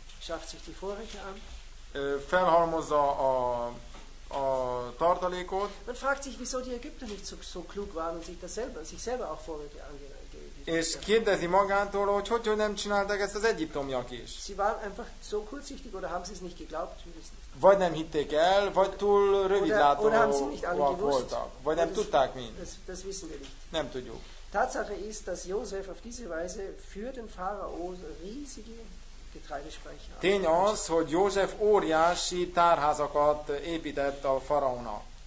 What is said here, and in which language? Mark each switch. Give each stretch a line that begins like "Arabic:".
German: Schafft sich die Vorräte an.
Hungarian: Felhalmozza a tartalékot.
German: Man fragt sich, wieso die Ägypter nicht so klug waren und sich selber auch Vorräte
Hungarian: És kérdezi magától, hogy nem csinálták ezt az egyiptomiak is.
German: Sie waren einfach so kurzsichtig oder haben sie es nicht geglaubt?
Hungarian: Vagy nem hitték el, vagy túl rövidlátóak voltak. Vagy nem tudták mind.
German: Das wissen wir nicht.
Hungarian: Nem tudjuk.
German: Tatsache ist, dass Josef auf diese Weise für den Pharao riesige Getreidespeicher.
Hungarian: Tény az, hogy József óriási tárházakat épített a faraónak.